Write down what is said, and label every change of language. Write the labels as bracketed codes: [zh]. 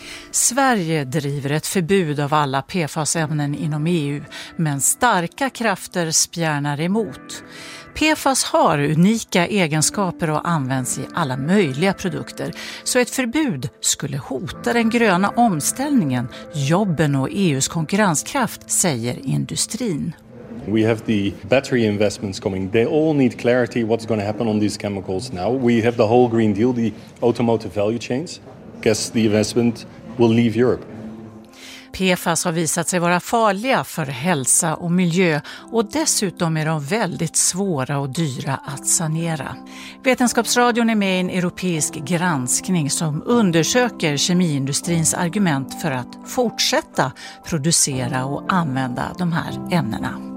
[sv] Sverige driver ett förbud av alla PFAS-ämnen inom EU, men starka krafter spjärnar emot. PFAS har unika egenskaper och används i alla möjliga produkter, så ett förbud skulle hota den gröna omställningen, jobben och EUs konkurrenskraft, säger industrin. [en] We have the battery investments coming. They all need clarity what's going to happen on these chemicals now. We have the whole Green Deal, the automotive value chains. Guess the investment will leave Europe. [sv] PFAS har visat sig vara farliga för hälsa och miljö, och dessutom är de väldigt svåra och dyra att sanera. Vetenskapsradion är med i en europeisk granskning som undersöker kemiindustrins argument för att fortsätta producera och använda de här ämnena.